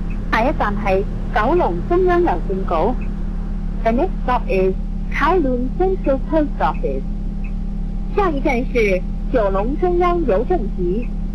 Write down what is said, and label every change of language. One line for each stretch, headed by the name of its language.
Chinese: 下一站是九龙中央邮政局。
English: The next stop is Kowloon Central Post Office.
Chinese: 下一站是 九龙中央邮政局。